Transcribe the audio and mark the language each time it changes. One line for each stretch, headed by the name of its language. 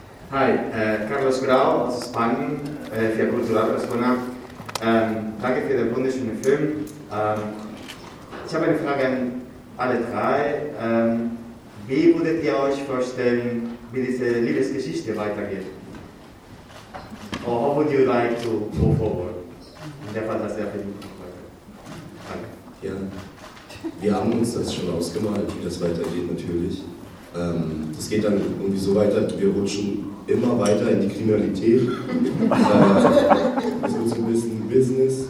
German: Hi, Carlos Grau aus Spanien, für Cultura Barcelona. Danke für den wunderschönen Film. Ich habe eine Frage an alle drei. Wie würdet ihr euch vorstellen, wie diese Liebesgeschichte weitergeht?
English: Or how would you like to go forward?
German: In der Fall, dass der Film weitergeht. Danke. Ja, wir haben uns das schon ausgemalt, wie das weitergeht natürlich. Das geht dann irgendwie so weiter, wir rutschen immer weiter in die Kriminalität. Das ist so ein bisschen Business.